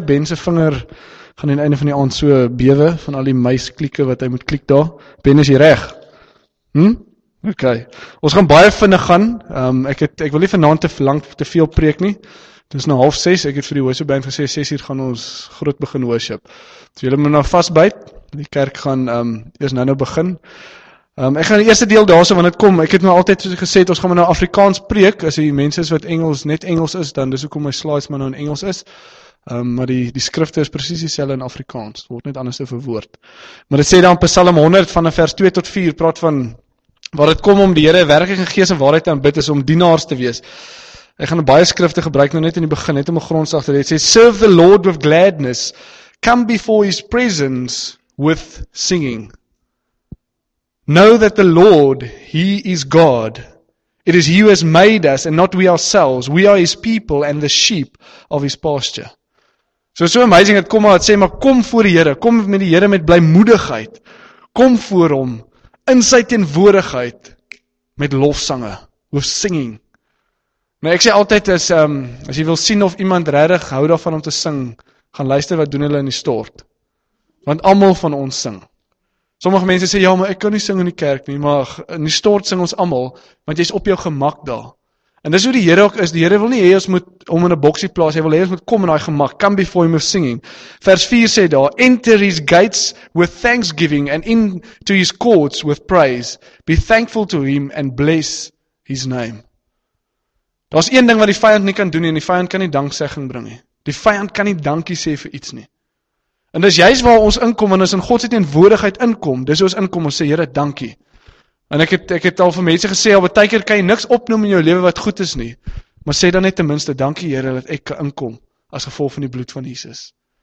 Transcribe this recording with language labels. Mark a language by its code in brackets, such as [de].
[af] Ben se vinger gaan aan die einde van die aand so bewe van al die muisklikke wat hy moet klik daar. Ben, is jy reg? OK. Ons gaan baie vinnig gaan. Ek wil nie vanaand te lank te veel preek nie. Dit is nou 6:30. Ek het vir die worship band gesê 6:00 gaan ons groot begin worship. So julle moet nou vasbyt. Die kerk gaan eers nou begin. Ek gaan die eerste deel daarso wanneer dit kom. Ek het nou altyd soos gesê, ons gaan maar nou Afrikaans preek. As die mense is wat Engels net Engels is, dan dis hoekom my slides maar nou in Engels is. Maar die skrifte is presies dieselfde in Afrikaans. Word net anders verwoord. Maar dit sê dan Psalm 100 van vers 2 tot 4 praat van waar dit kom om die Here werklik in gees en waarheid te aanbid is om dienaars te wees. Ek gaan baie skrifte gebruik nou net in die begin net om 'n grondslag te hê. [en] Dit sê serve the Lord with gladness. Come before his presence with singing. Know that the Lord, He is God. It is He who has made us and not we ourselves. We are His people and the sheep of His pasture. So it's so amazing [af] dat kom maar, het sê, maar kom voor die Here, kom met die Here met blymoedigheid. Kom voor Hom in sy teenwoordigheid met lofsange, [en] with singing. [af] Maar ek sê altyd as jy wil sien of iemand regtig hou daarvan om te sing, gaan luister wat doen hulle in die stort. Want almal van ons sing. Sommige mense sê, ja, maar ek kan nie sing in die kerk nie, maar in die stort sing ons allemaal, want jy is op jou gemak daar. En dis hoe die Here ook is, die Here wil nie hê ons moet om in 'n boksie plaas, hy wil hê ons moet kom in daai gemak, [en] come before him with singing. [af] Vers 4 sê daar, [en] enter his gates with thanksgiving and into his courts with praise. Be thankful to him and bless his name. [af] Daar is een ding wat die vyand nie kan doen nie, en die vyand kan nie danksegging bring nie. Die vyand kan nie dankie sê vir iets nie. En dis juist waar ons inkom en ons in God se teenwoordigheid inkom. Dis hoe ons inkom en sê Here, dankie. En ek het al vir mense gesê, al baie keer kan jy niks opnoem in jou lewe wat goed is nie. Maar sê dan net ten minste dankie Here dat ek kan inkom as gevolg van die bloed van Jesus.